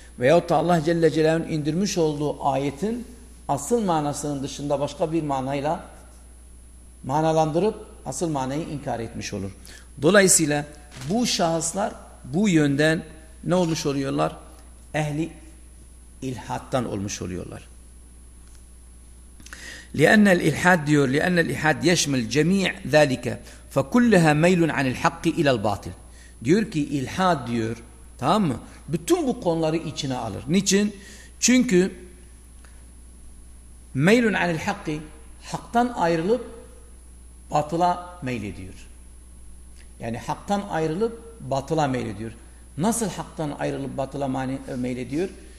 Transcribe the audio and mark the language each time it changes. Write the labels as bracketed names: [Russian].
[Turkish] Veyahut da Allah Celle Celaluhu'nun indirmiş olduğu ayetin asıl manasının dışında başka bir manayla manalandırıp asıl manayı inkar etmiş olur. Dolayısıyla bu şahıslar bu yönden ne olmuş oluyorlar? Ehli ilhattan olmuş oluyorlar. [Arabic] لِأَنَّ الْإِلْحَادِ [Turkish] diyor, [Arabic] لِأَنَّ الْإِلْحَادِ يَشْمِلْ جَمِيعْ ذَٰلِكَ فَكُلَّهَا مَيْلٌ عَنِ الْحَقِّ اِلَى الْبَاطِلِ [Turkish] Diyor ki ilhad diyor, tamam mı? Bütün bu konuları içine alır. Niçin? Çünkü [Arabic] مَيْلٌ عَنِ الْحَقِّ [Turkish] haktan ayrılıp batıla meylediyor. Yani haktan ayrılıp batıla meylediyor. Nasıl haktan ayrılıp batıla meylediyor?